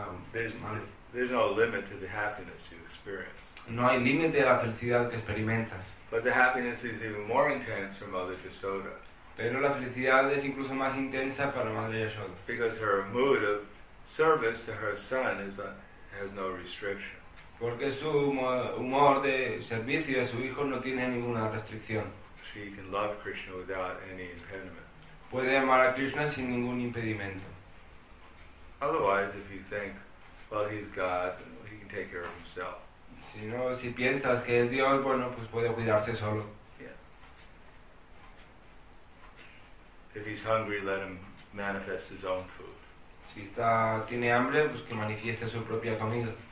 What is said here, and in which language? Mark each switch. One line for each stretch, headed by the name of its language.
English: There's no limit to the happiness you experience.
Spanish: No hay límite a la felicidad que experimentas.
English: But the happiness is even more intense for Mother Yashoda.
Spanish: Pero la felicidad es incluso más intensa para Madre Yashoda.
English: Because her mood of service to her son has no restriction.
Spanish: Porque su humor de servicio a su hijo no tiene ninguna restricción.
English: She can love Krishna without any impediment.
Spanish: Puede amar a Krishna sin ningún impedimento.
English: Otherwise, if you think, well, he's God, he can take care of himself.
Spanish: Si no, si piensas que es Dios, bueno, pues puede cuidarse solo.
English: Yeah. If he's hungry, let him manifest his own food.
Spanish: Si está, tiene hambre, pues que manifieste su propia comida.